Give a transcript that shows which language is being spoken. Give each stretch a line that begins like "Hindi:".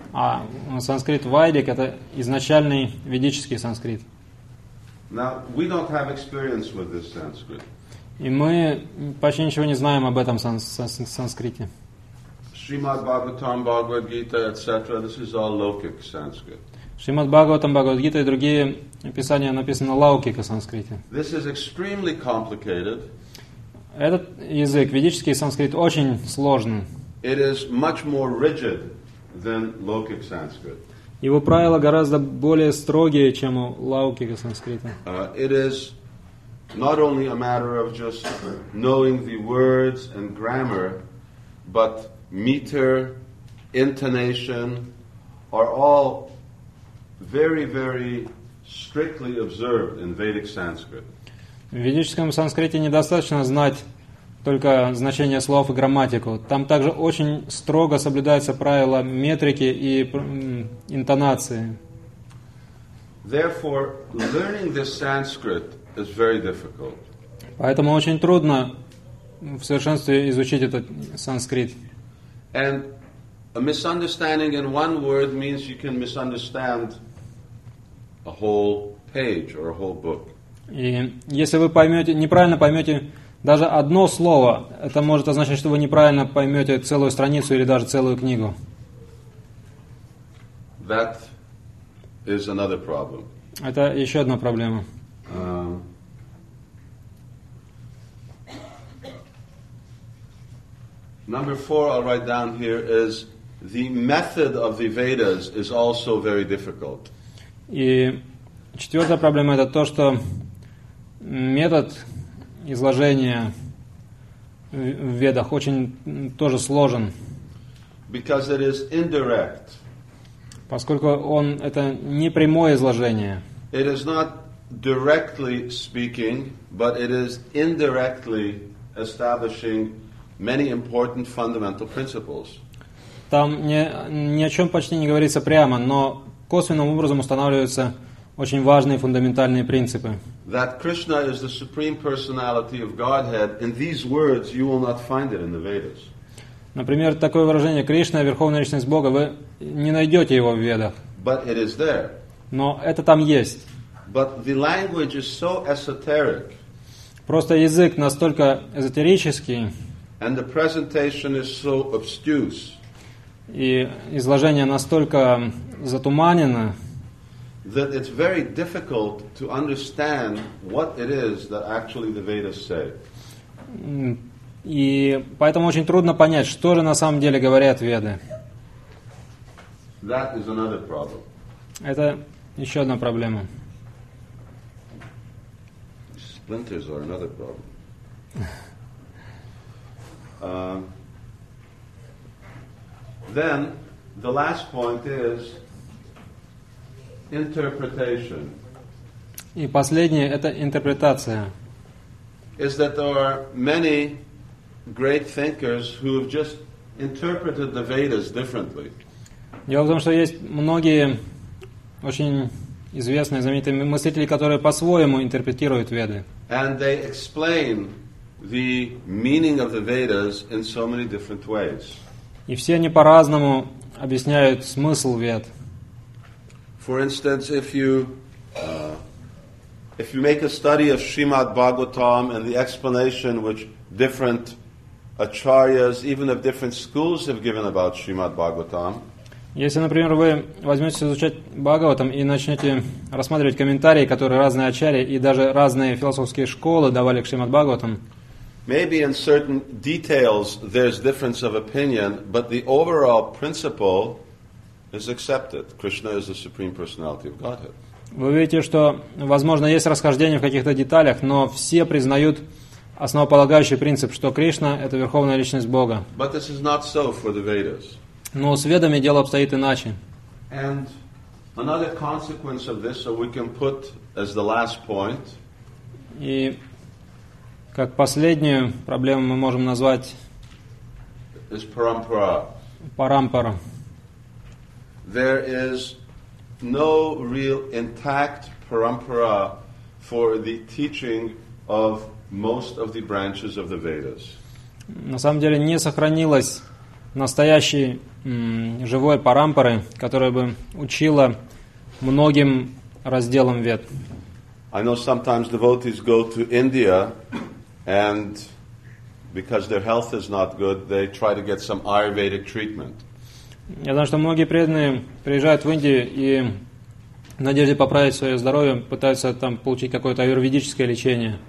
Russian: А санскрит Vedic — это изначальный ведический санскрит.
English: Now, we don't have experience with this Sanskrit.
Russian: И мы почти ничего не знаем об этом санскрите.
English: Srimad Bhagavatam, Bhagavad Gita, etc. This is all Laukik Sanskrit.
Russian: Шримад Бхагаватам, Бхагавад Гита и другие писания написаны на лаукика санскрите.
English: This is extremely complicated.
Russian: Этот язык, ведический санскрит, очень сложный.
English: It is much more rigid than лаукика санскрит.
Russian: Его правила гораздо более строгие, чем у лаукика санскрита.
English: It is not only a matter of just knowing the words and grammar, but meter, intonation are all very, very strictly observed in Vedic Sanskrit.
Russian: В ведическом санскрите недостаточно знать только значение слов и грамматику. Там также очень строго соблюдаются правила метрики и интонации.
English: Therefore, learning the Sanskrit is very difficult.
Russian: Поэтому очень трудно в совершенстве изучить этот санскрит.
English: And a misunderstanding in one word means you can misunderstand a whole page or a whole book.
Russian: И если вы поймете, неправильно поймете даже одно слово, это может означать, что вы неправильно поймете целую страницу или даже целую книгу.
English: That is another problem.
Russian: Это еще одна проблема.
English: Number four I'll write down here is the method of the Vedas is also very difficult.
Russian: И четвертая проблема это то, что метод изложения в Ведах очень тоже сложен.
English: Because it is indirect.
Russian: Поскольку он это не прямое изложение.
English: It is not directly speaking, but it is indirectly establishing many important fundamental principles.
Russian: Там ни о чем почти не говорится прямо, но косвенным образом устанавливаются очень важные фундаментальные принципы.
English: That Krishna is the supreme personality of Godhead, in these words you will not find it in the Vedas.
Russian: Например, такое выражение Кришна верховная личность Бога, вы не найдете его в Ведах.
English: But it is there.
Russian: Но это там есть.
English: But the language is so esoteric.
Russian: Просто язык настолько эзотерический.
English: And the presentation is so obtuse.
Russian: И изложение настолько затуманено.
English: That it's very difficult to understand what it is that actually the Vedas say.
Russian: И поэтому очень трудно понять, что же на самом деле говорят Веды.
English: That is another problem.
Russian: Это еще одна проблема.
English: Splinters are another problem. Then the last point is interpretation.
Russian: И последнее это интерпретация.
English: Is that there are many great thinkers who have just interpreted the Vedas differently.
Russian: Дело в том, что есть многие очень известные, знаменитые мыслители, которые по-своему интерпретируют Веды.
English: And they explain the meaning of the Vedas in so many different ways.
Russian: И все они по-разному объясняют смысл Вед.
English: For instance, if you make a study of Srimad Bhagavatam and the explanation which different acharyas, even of different schools, have given about Srimad Bhagavatam.
Russian: Если, например, вы возьметесь изучать Бхагаватам и начнете рассматривать комментарии, которые разные ачарьи и даже разные философские школы давали к Шримад Бхагаватам.
English: Maybe in certain details there's difference of opinion, but the overall principle is accepted. Krishna is the supreme personality of Godhead.
Russian: Вы видите, что, возможно, есть расхождение в каких-то деталях, но все признают основополагающий принцип, что Кришна — это верховная личность Бога.
English: But this is not so for the Vedas.
Russian: Но с Ведами дело обстоит иначе.
English: And another consequence of this, so we can put as the last point.
Russian: И как последнюю проблему мы можем назвать
English: is parampara.
Russian: Парампара.
English: There is no real intact parampara for the teaching of most of the branches of the Vedas.
Russian: На самом деле не сохранилось настоящей живой парампары, которая бы учила многим разделам Вед.
English: I know sometimes devotees go to India and because their health is not good, they try to get some Ayurvedic treatment.
Russian: Я знаю, что многие преданные приезжают в Индию и в надежде поправить свое здоровье пытаются там получить какое-то аюрведическое лечение.